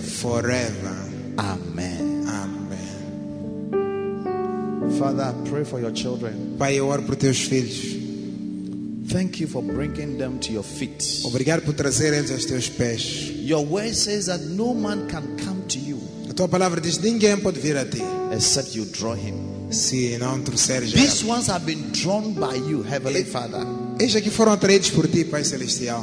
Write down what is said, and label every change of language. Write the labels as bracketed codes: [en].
[en] Forever. [pt] Amém. Amém. [en] Father, I pray for your children. [pt] Pai, eu oro por teus filhos. [en] Thank you for bringing them to your feet. [pt] Obrigado por trazer eles aos teus pés. [en] Your word says that no man can come to you. [pt] A tua palavra diz ninguém pode vir a ti. [en] Except you draw him. [pt] Se não trouxeres. [en] These ones have been drawn by you, Heavenly Father. [pt] Eis aqui foram atraídos por ti, Pai Celestial.